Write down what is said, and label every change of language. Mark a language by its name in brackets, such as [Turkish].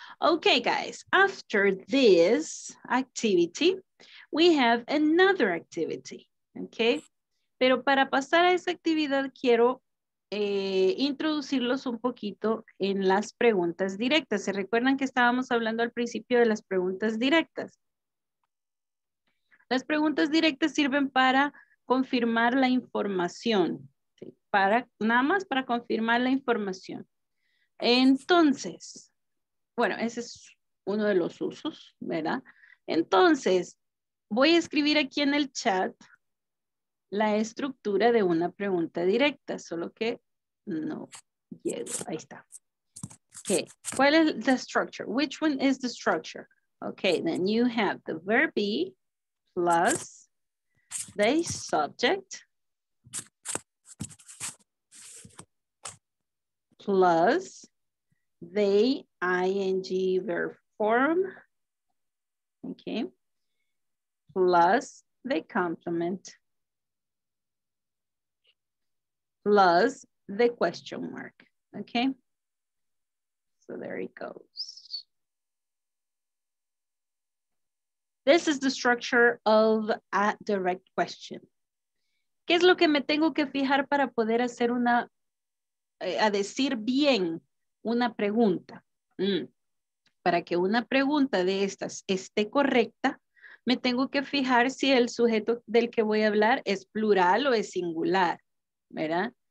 [English] Okay, guys, after this activity, we have another activity, okay? [Spanish] Pero para pasar a esa actividad, quiero introducirlos un poquito en las preguntas directas. ¿Se recuerdan que estábamos hablando al principio de las preguntas directas? Las preguntas directas sirven para confirmar la información, ¿sí? Para, nada más para confirmar la información. Entonces, bueno, ese es uno de los usos, ¿verdad? Entonces, voy a escribir aquí en el chat la estructura de una pregunta directa, solo que no llego. Ahí está. Okay. ¿Cuál es la structure? [English] Which one is the structure? Okay, then you have the verb be plus the subject plus the ing verb form. Okay. Plus the complement. Plus the question mark. Okay. So there it goes. This is the structure of a direct question. [Spanish] ¿Qué es lo que me tengo que fijar para poder hacer una, a decir bien una pregunta? Para que una pregunta de estas esté correcta, me tengo que fijar si el sujeto del que voy a hablar es plural o es singular, ¿verdad?